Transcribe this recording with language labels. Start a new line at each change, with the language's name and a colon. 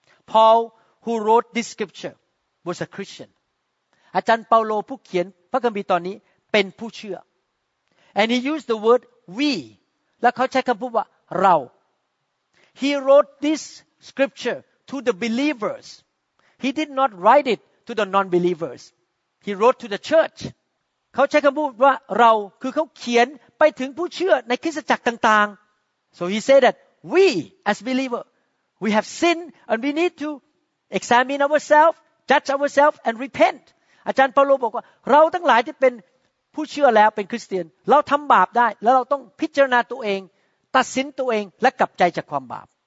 English: Paul who wrote this scripture was a Christian
Thai: อาจารย์เปาโลผู้เขียนพระคัมภีร์ตอนนี้เป็นผู้เชื่อ
English: And he used the word we
Thai: และเขาใช้คำพูดว่าเรา
English: He wrote this scripture to the believers. He did not write it to the non-believers. He wrote to the church.
Thai: เขาใช้คำพูดว่าเราคือเขาเขียนไปถึงผู้เชื่อในคริสตจักรต่างๆ
English: So he said that we as believers we have sinned and we need to examine ourselves, judge ourselves and repent.
Thai: อาจารย์เปาโลบอกว่าเราทั้งหลายที่เป็นผู้เชื่อแล้วเป็นคริสเตียนเราทำบาปได้แล้วเราต้องพิจารณาตัวเองตัดสินตัวเองและกลับใจจากความบาป